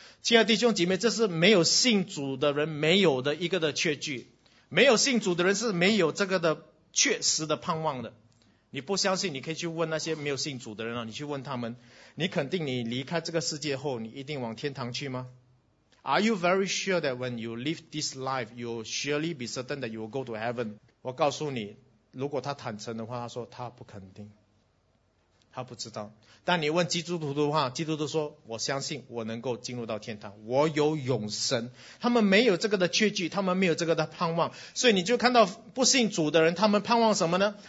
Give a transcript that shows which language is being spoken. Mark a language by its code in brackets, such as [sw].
[zh] 亲爱的弟兄姐妹，这是没有信主的人没有的一个的确据，没有信主的人是没有这个的确实的盼望的。你不相信，你可以去问那些没有信主的人，你去问他们，你肯定你离开这个世界后，你一定往天堂去吗？ [en] Are you very sure that when you leave this life, you'll surely be certain that you will go to heaven? [zh] 我告诉你，如果他坦诚的话，他说他不肯定，他不知道。但你问基督徒的话，基督徒说，我相信我能够进入到天堂，我有永生。他们没有这个的确据，他们没有这个的盼望。所以你就看到不信主的人，他们盼望什么呢？